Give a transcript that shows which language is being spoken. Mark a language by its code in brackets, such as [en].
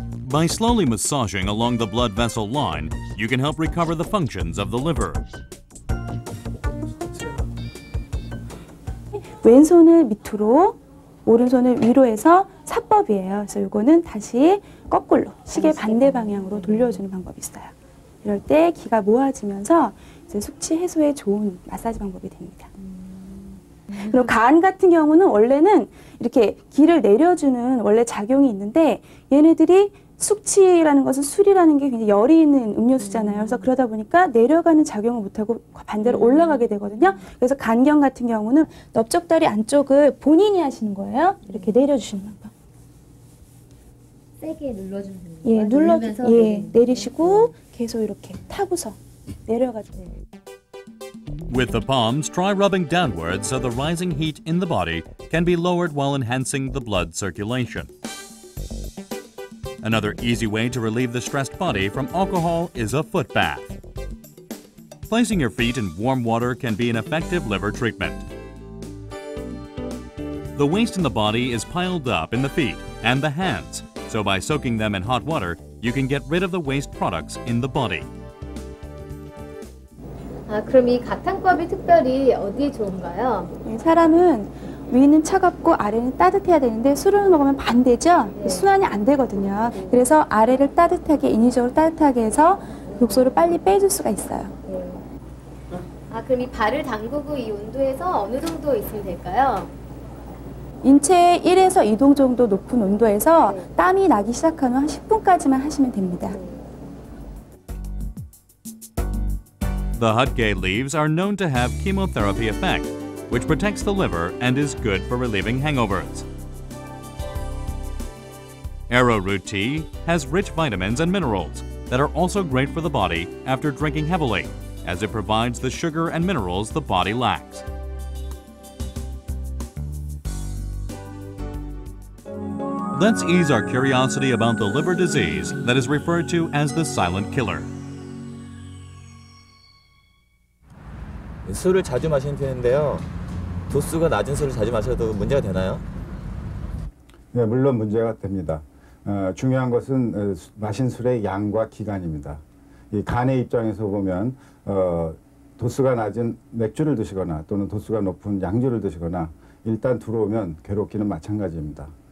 [en] By slowly massaging along the blood vessel line, you can help recover the functions of the liver. [ko] 왼손을 밑으로, 오른손을 위로 해서 사법이에요. 그래서 이거는 다시 거꾸로 시계 반대 방향으로 돌려주는 방법이 있어요. 이럴 때 기가 모아지면서 이제 숙취 해소에 좋은 마사지 방법이 됩니다. 그리고 간 같은 경우는 원래는 이렇게 기를 내려주는 원래 작용이 있는데 얘네들이 숙취라는 것은 술이라는 게 굉장히 열이 있는 음료수잖아요. 그래서 그러다 보니까 내려가는 작용을 못하고 반대로 올라가게 되거든요. 그래서 간경 같은 경우는 넓적다리 안쪽을 본인이 하시는 거예요. 이렇게 내려주시는 방법. 세게 눌러주면 되는 거예요? 예, 눌러주면서 예, 내리시고 계속 이렇게 타고서 내려가주세요. [en] With the palms, try rubbing downward so the rising heat in the body can be lowered while enhancing the blood circulation. Another easy way to relieve the stressed body from alcohol is a foot bath. Placing your feet in warm water can be an effective liver treatment. The waste in the body is piled up in the feet and the hands, so by soaking them in hot water, you can get rid of the waste products in the body. [ko] 아, 그럼 이 가탕법이 특별히 어디에 좋은가요? 사람은 위는 차갑고 아래는 따뜻해야 되는데 술을 먹으면 반대죠? 네. 순환이 안 되거든요. 네. 그래서 아래를 따뜻하게, 인위적으로 따뜻하게 해서 욕소를 빨리 빼줄 수가 있어요. 네. 아, 그럼 이 발을 담그고 이 온도에서 어느 정도 있으면 될까요? 인체의 1에서 2도 정도 높은 온도에서 네. 땀이 나기 시작하면 한 10분까지만 하시면 됩니다. 네. [en] The hotgay leaves are known to have chemotherapy effect, which protects the liver and is good for relieving hangovers. Arrowroot tea has rich vitamins and minerals that are also great for the body after drinking heavily, as it provides the sugar and minerals the body lacks. Let's ease our curiosity about the liver disease that is referred to as the silent killer. [ko] 술을 자주 마시는 편인데요. 도수가 낮은 술을 자주 마셔도 문제가 되나요? 네, 물론 문제가 됩니다. 중요한 것은 마신 술의 양과 기간입니다. 이 간의 입장에서 보면 도수가 낮은 맥주를 드시거나 또는 도수가 높은 양주를 드시거나 일단 들어오면 괴롭기는 마찬가지입니다.